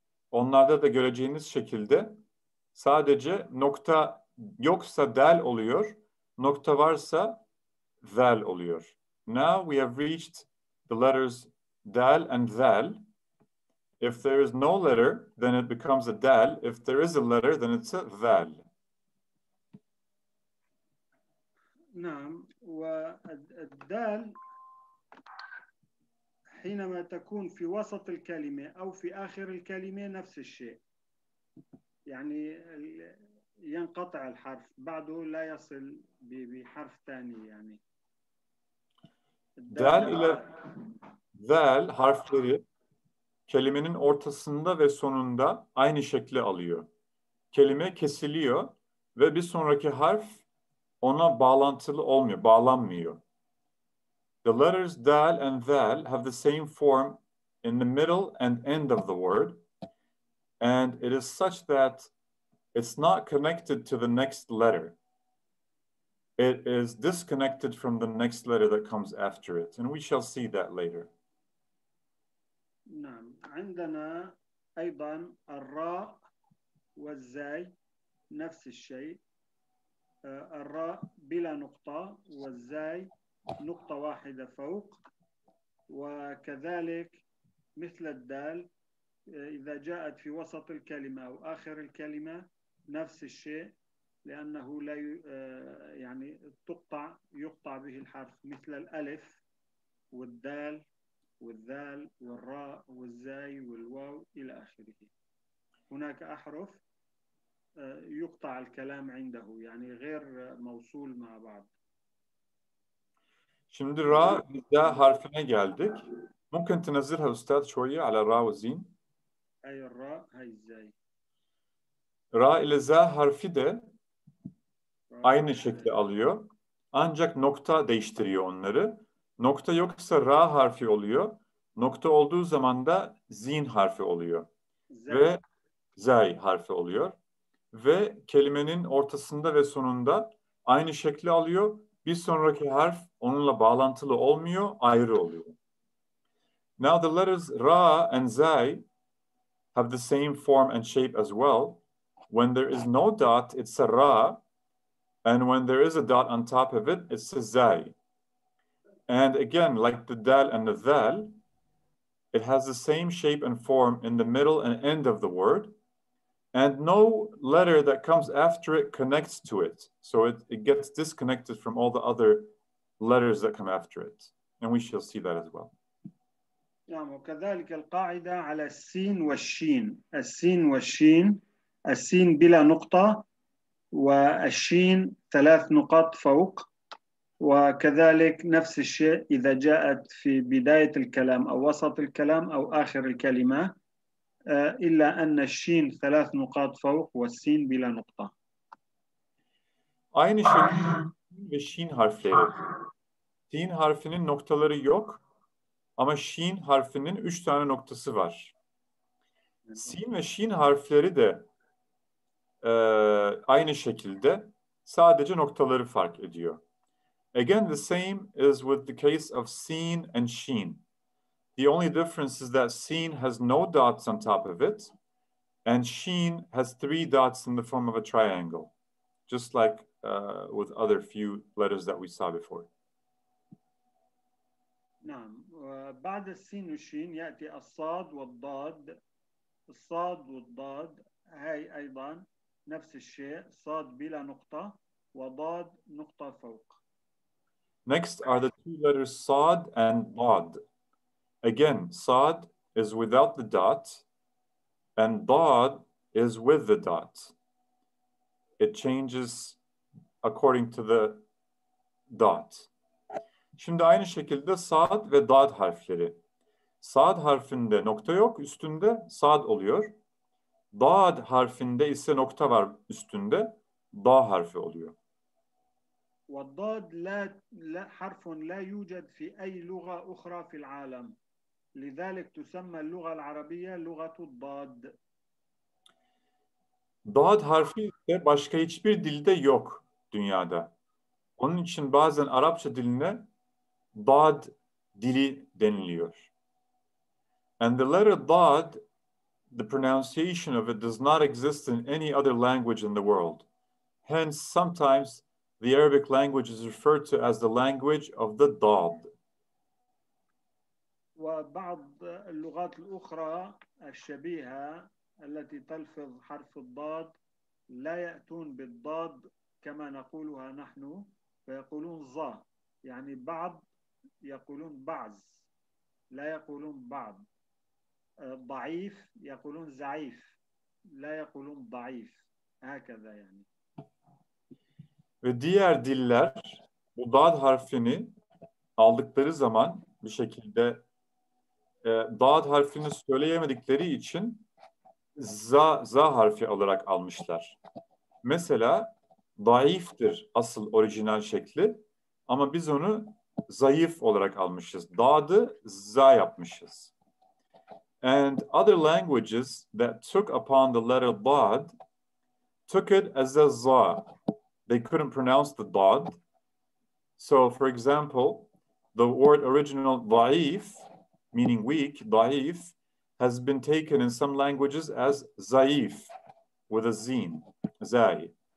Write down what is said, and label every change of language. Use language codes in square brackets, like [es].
[tr] Onlarda da göreceğiniz şekilde sadece nokta yoksa dal oluyor, nokta varsa zal oluyor. [en] Now we have reached the letters dal and zal. If there is no letter, then it becomes a dal. If there is a letter, then it's a zal. [ar] نعم والدال حينما تكون في وسط الكلمة أو في آخر الكلمة نفس الشيء يعني ينقطع الحرف بعده لا يصل بحرف ثاني يعني دال إلى دال [tr] harfleri kelimenin ortasında ve sonunda aynı şekli alıyor. Kelime kesiliyor ve bir sonraki harf ona bağlantılı olmuyor, bağlanmıyor. [en] The letters dal and zal have the same form in the middle and end of the word, and it is such that it's not connected to the next letter. It is disconnected from the next letter that comes after it, and we shall see that later. [ar] نعم، عندنا أيضاً الراء والزاي نفس الشيء. الراء بلا نقطة والزاي نقطة واحدة فوق وكذلك مثل الدال إذا جاءت في وسط الكلمة أو آخر الكلمة نفس الشيء لأنه لا يعني تقطع يقطع به الحرف مثل الألف والدال والذال والراء والزاي والواو إلى آخره هناك أحرف يقطع الكلام عنده يعني غير موصول مع بعض. [tr] Şimdi ra ve harfine geldik. Mümkün tenzirha ustad şöyle ala ra ve zin. Ay ra hay zay. Ra ile za harfi de aynı şekli alıyor. Ancak nokta değiştiriyor onları. Nokta yoksa ra harfi oluyor. Nokta olduğu zaman da zin harfi oluyor. Ve zay harfi oluyor. Ve kelimenin ortasında ve sonunda aynı şekli alıyor. Bir sonraki harf onunla bağlantılı olmuyor, ayrı oluyor. [en] Now the letters ra and zai have the same form and shape as well. When there is no dot, it's a ra. And when there is a dot on top of it, it's a zai. And again, like the dal and the zal, it has the same shape and form in the middle and end of the word. And no letter that comes after it connects to it. So it gets disconnected from all the other letters that come after it. And we shall see that as well. [ar] نعم وكذلك القاعدة على السين والشين. السين والشين. السين بلا نقطة. والشين ثلاث نقاط فوق. وكذلك نفس الشيء إذا جاءت في بداية الكلام أو وسط الكلام أو آخر الكلمة. إلا أن الشين ثلاث نقاط فوق والسين بلا نقطة. [tr] Aynı şekilde ve şin harfleri. Sin harfinin noktaları yok ama şin harfinin üç tane noktası var. Sin ve şin harfleri de aynı şekilde sadece noktaları fark ediyor. [en] Again the same is with the case of sin and şin. The only difference is that sin has no dots on top of it and sheen has three dots in the form of a triangle, just like with other few letters that we saw before. [ar] نعم بعد السين والشين يأتي الصاد والضاد الصاد والضاد هاي أيضا نفس الشيء صاد بلا نقطة وضاد نقطة فوق. [en] Next are the two letters صاد and ضاد. Again, sad is without the dot, and dad is with the dot. It changes according to the dot. [tr] Şimdi aynı şekilde sad ve dad harfleri. Sad harfinde nokta yok, üstünde sad oluyor. Dad harfinde ise nokta var üstünde, da harfi oluyor. [ar] والضاد لا حرف لا يوجد في أي لغة أخرى في العالم. لذلك تسمى اللغة العربية لغة الضاد. [tr] Dad harfi de başka hiçbir dilde yok dünyada. Onun için bazen Arapça diline dad dili deniliyor. [en] And the letter dad, the pronunciation of it does not exist in any other language in the world. Hence sometimes the Arabic language is referred to as the language of the dad. [ar] وبعض اللغات الأخرى الشبيهة التي تلفظ حرف الضاد لا يأتون بالضاد كما نقولها نحن فيقولون ظا يعني بعض يقولون بعض لا يقولون بعض ضعيف يقولون زعيف لا يقولون ضعيف هكذا يعني [tr] ve diğer diller bu dad harfini aldıkları zaman bir şekilde dad harfini söyleyemedikleri için za harfi olarak almışlar. Mesela daiftir asıl orijinal şekli ama biz onu zayıf olarak almışız. Dadı za yapmışız. [en] And other languages that took upon the letter dad took it as a za. They couldn't pronounce the dad. So for example, the word original daif, meaning weak, daif, has been taken in some languages as zayif, with a zin, zay.